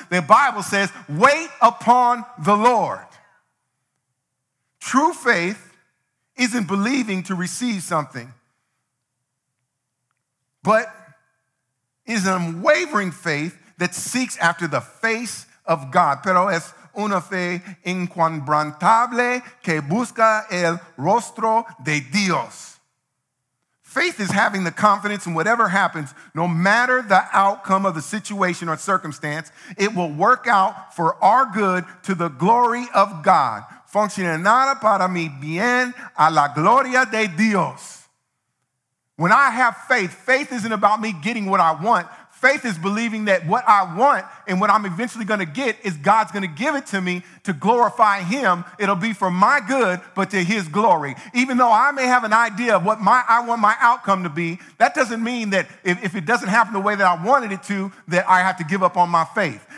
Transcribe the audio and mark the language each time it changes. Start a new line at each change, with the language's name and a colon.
English: The Bible says, wait upon the Lord. True faith isn't believing to receive something, but is an unwavering faith that seeks after the face of God.
Spanish: Pero es una fe inquebrantable que busca el rostro de Dios.
English: Faith is having the confidence in whatever happens, no matter the outcome of the situation or circumstance, it will work out for our good to the glory of God.
Spanish: Funcionará para mi bien a la gloria de Dios.
English: When I have faith, faith isn't about me getting what I want. Faith is believing that what I want and what I'm eventually going to get is God's going to give it to me to glorify him. It'll be for my good, but to his glory. Even though I may have an idea of what I want my outcome to be, that doesn't mean that if it doesn't happen the way that I wanted it to, that I have to give up on my faith.